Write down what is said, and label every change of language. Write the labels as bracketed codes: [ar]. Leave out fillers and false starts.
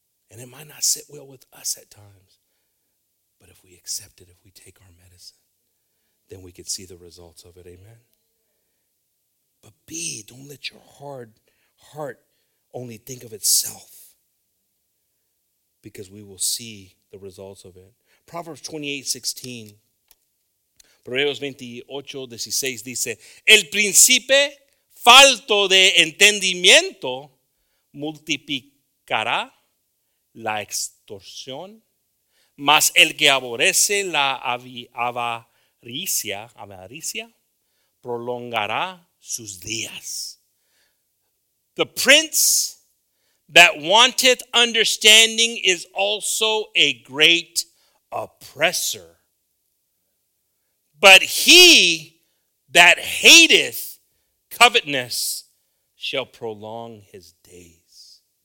[en] And it might not sit well with us at times, but if we accept it, if we take our medicine, then we could see the results of it, amen? But B, don't let your hard heart only think of itself. Because we will see the results of it. Proverbs 28:16. [es] Proverbs 28:16 dice, el príncipe falto de entendimiento multiplicará la extorsión, mas el que aborrece la avaricia prolongará sus días. [en] The prince that wanteth understanding is also a great oppressor. But he that hateth covetousness shall prolong his days.